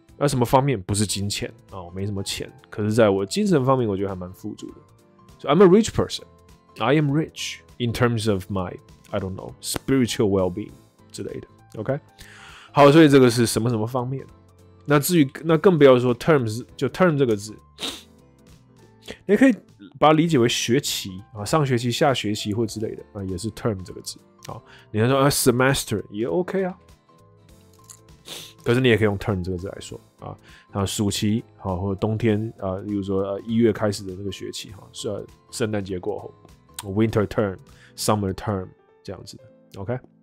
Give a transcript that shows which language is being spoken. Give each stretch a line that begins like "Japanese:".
Chinese: 那什么方面不是金钱啊、哦？没什么钱，可是在我精神方面，我觉得还蛮富足的。
English: So I'm a rich person. I am rich in terms of my I don't know spiritual well-being
Chinese: 之类的。 OK， 好，所以这个是什么什么方面？那至于那更不要说 terms， 就 term 这个字，你可以把它理解为学期啊，上学期、下学期或之类的啊，也是 term 这个字啊。你要说啊 semester 也 OK 啊。可是你也可以用 turn 这个字来说啊，那暑期啊，或冬天啊，例如说一月开始的那个学期哈，是圣诞节过后 ，winter term、summer term 这样子的 ，OK。